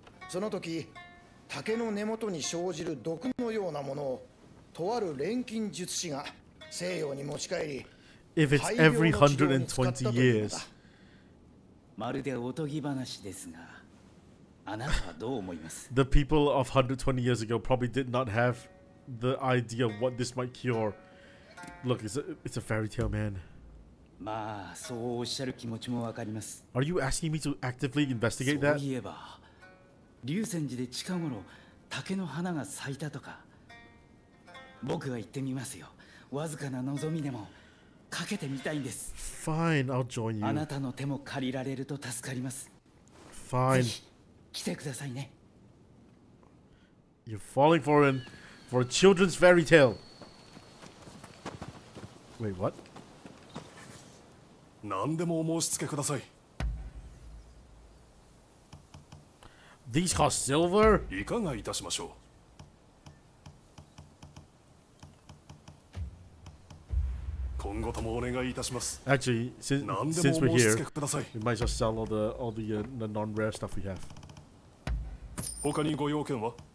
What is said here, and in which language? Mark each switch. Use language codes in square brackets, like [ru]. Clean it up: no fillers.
[ja] その時。竹の根元に生じる毒のようなものをとある錬金術師が西洋に持ち帰り、 [en] If it's every 120 years、 [ja] まるでおとぎ話ですが、あなたはどう思います [en] ？The people of 120 years ago probably did not have the idea of what this might cure. Look, it's a fairy tale, man. [ja] まあそうおっしゃる気持ちもわかります。 [en] Are you asking me to actively investigate that？ [ja] そういえば。龍泉寺で近頃竹の花が咲いたとか僕は行ってみますよわずかな望みでもかけてみたいんです [en] Fine, I'll join you [ja] あなたの手も借りられると助かります [en] Fine [ja] 来てくださいね [en] You're falling for him for a children's fairy tale Wait, what? [ja] 何でもお申し付けください [en] These cost silver? [ja] いかがいたしましょう? [en] Actually, since we're here, we might just sell all the non-rare stuff we have. [ja] 他にご用件は?